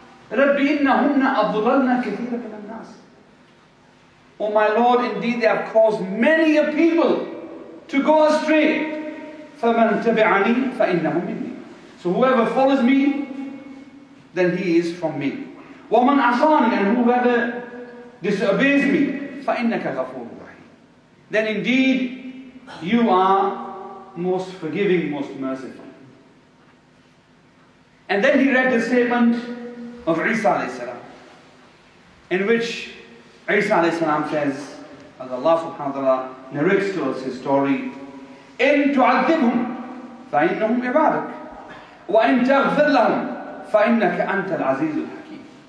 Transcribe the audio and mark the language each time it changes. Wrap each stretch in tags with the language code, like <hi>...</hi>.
<ar>رَبِّ إِنَّهُمْنَ أَضْلَلْنَا كَثِيرًا مِنَ النَّاسِ.</ar> <en>Oh my Lord, indeed they have caused many a people to go astray.</en> <ar>فَمَنْ تَبِعَنِي فَإِنَّهُ مِنِّي.</ar> <en>So whoever follows me, then he is from me.</en> <ar>وَمَنْ عَصَانِي,</ar> <en>and whoever disobeys me,</en> <ar>فَإِنَّكَ غَفُورٌ رَحِيمٌ.</ar> <en>Then indeed, you are most forgiving, most merciful. And then he read the statement of Isa alayhi salam, in which Isa alayhi salam says, as Allah subhanahu wa ta'ala narrates to us his story,</en> <ar>إِن تُعَذِّبْهُمْ فَإِنَّهُمْ عِبَادُكَ وَإِن تَغْفِرْ لَهُمْ فَإِنَّكَ أَنْتَ الْعَزِيزُ الْحَكِيمُ.</ar>